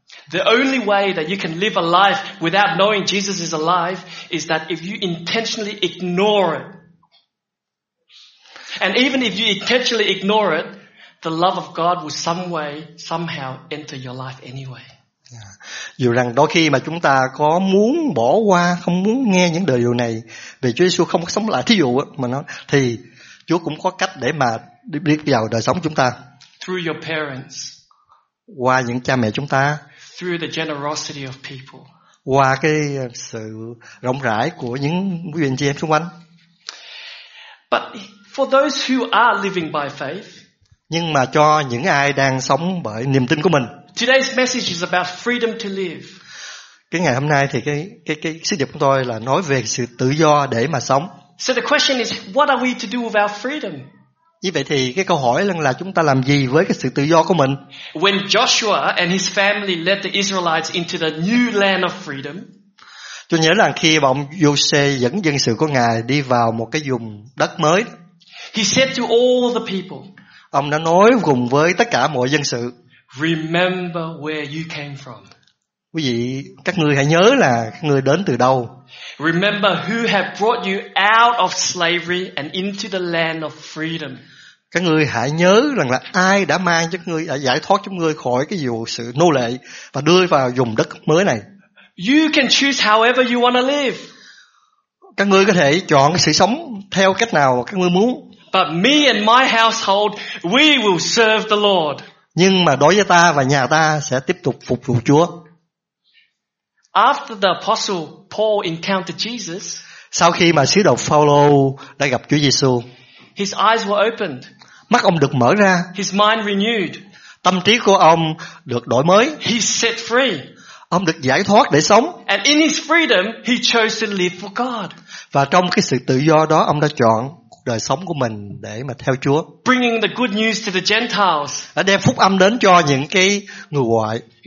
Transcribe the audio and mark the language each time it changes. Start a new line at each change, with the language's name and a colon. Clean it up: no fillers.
English: The only way that you can live a life without knowing Jesus is alive is that if you intentionally ignore it. And even if you intentionally ignore it, the love of God will some way, somehow enter your life anyway.
Vietnamese: Dù rằng đôi khi mà chúng ta có muốn bỏ qua, không muốn nghe những điều này về Chúa Giêsu không sống lại, thí dụ mà nó thì Chúa cũng có cách để mà đi vào đời sống chúng ta.
English: Through your parents.
Vietnamese: Qua những cha mẹ chúng ta.
English: Through the generosity of people.
Vietnamese: Qua cái sự rộng rãi của những quý vị anh chị em xung quanh.
English: But for those who are living by faith.
Vietnamese: Nhưng mà cho những ai đang sống bởi niềm tin của mình.
English: Today's message is about freedom to live.
Vietnamese: Cái ngày hôm nay thì cái sứ điệp của tôi là nói về sự tự do để mà sống.
English: So the question is, what are we to do with our freedom?
Vietnamese: Như vậy thì cái câu hỏi là chúng ta làm gì với cái sự tự do của mình?
English: When Joshua and his family led the Israelites into the new land of freedom.
Vietnamese: Tôi nhớ là khi ông Giô-sê dẫn dân sự của Ngài đi vào một cái vùng đất mới.
English: He said to all the people.
Vietnamese: Ông đã nói cùng với tất cả mọi dân sự.
English: Remember where you came from.
Vietnamese: Quý vị, các ngươi hãy nhớ là ngươi đến từ đâu.
English: Remember who have brought you out of slavery and into the land of freedom.
Vietnamese: Các ngươi hãy nhớ rằng là ai đã mang cho ngươi, đã giải thoát cho ngươi khỏi cái vụ sự nô lệ và đưa vào vùng đất mới này.
English: You can choose however you want to live.
Vietnamese: Các ngươi có thể chọn sự sống theo cách nào các ngươi muốn.
English: But me and my household, we will serve the Lord.
Vietnamese: Nhưng mà đối với ta và nhà ta sẽ tiếp tục phục vụ Chúa.
English: After the apostle Paul encountered Jesus,
Vietnamese: sau khi mà sứ đồ Phaolô đã gặp Chúa Giêsu,
English: his eyes were opened.
Vietnamese: Mắt ông được mở ra.
English: His mind renewed.
Vietnamese: Tâm trí của ông được đổi mới.
English: He set free.
Vietnamese: Ông được giải thoát để sống.
English: And in his freedom, he chose to live for God.
Vietnamese: Và trong cái sự tự do đó, ông đã chọn đời sống của mình để mà theo Chúa.
English: Bringing the good news to the Gentiles.
Vietnamese: Đã đem phúc âm đến cho những cái người ngoại.